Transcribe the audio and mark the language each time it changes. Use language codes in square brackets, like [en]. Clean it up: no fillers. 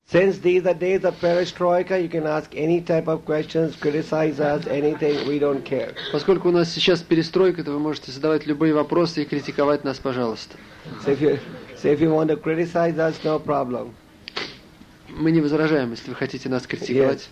[en] Since these are days of perestroika, you can ask any type of questions, criticize us, anything, we don't care. [ru] Поскольку у нас сейчас перестройка, то вы можете задавать любые вопросы и критиковать нас, пожалуйста. [en] So if you want to criticize us, no problem. [ru] Мы не возражаем, если вы хотите нас критиковать.